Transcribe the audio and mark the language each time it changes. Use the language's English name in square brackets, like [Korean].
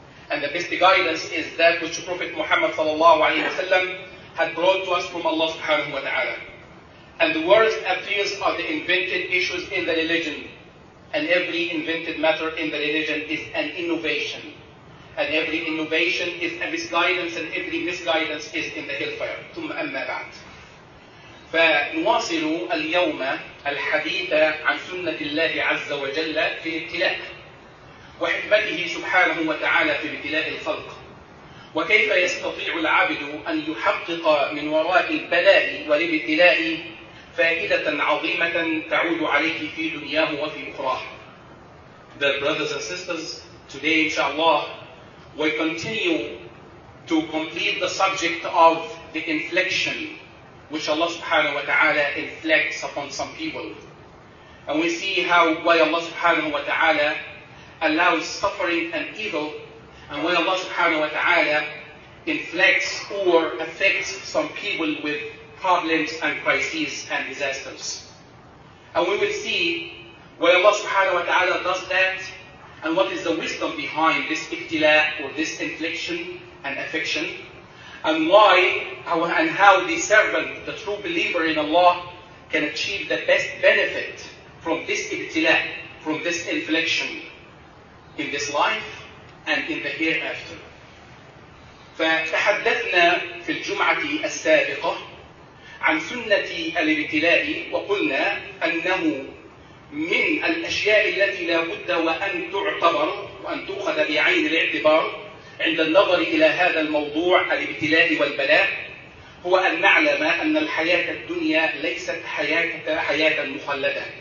[English] And the best guidance is that which Prophet Muhammad sallallahu alayhi wa sallam had brought to us from Allah subhanahu wa ta'ala. And the worst appeals are the invented issues in the religion. And every invented matter in the religion is an innovation. And every innovation is a misguidance, and every misguidance is in the hellfire. [Arabic] ثم أما بعد. فنواصل اليوم الحديث عن سنة الله عز وجل في ابتلاء وحكمته سبحانه وتعالى في ابتلاء الخلق، وكيف يستطيع العبد أن يحقق من وراء البلاء والابتلاء فائدة عظيمة تعود عليه في دنياه وفي أخراه. [English] Dear brothers and sisters, today inshallah we continue to complete the subject of the infliction which Allah subhanahu wa ta'ala inflicts upon some people. And we see how, why Allah subhanahu wa ta'ala allows suffering and evil, and why Allah subhanahu wa ta'ala inflicts or affects some people with problems and crises and disasters. And we will see why Allah subhanahu wa ta'ala does that, and what is the wisdom behind this ibtila or this infliction and affection, and why and how the servant, the true believer in Allah, can achieve the best benefit from this ibtila, from this infliction in this life and in the hereafter. [Arabic] فتحدثنا في الجمعة السابقة عن سنة الابتلاء، وقلنا أنه من الأشياء التي لا بد وأن تعتبر وأن تؤخذ بعين الاعتبار عند النظر إلى هذا الموضوع الابتلاء والبلاء، هو أن نعلم أن الحياة الدنيا ليست حياة مخلدة.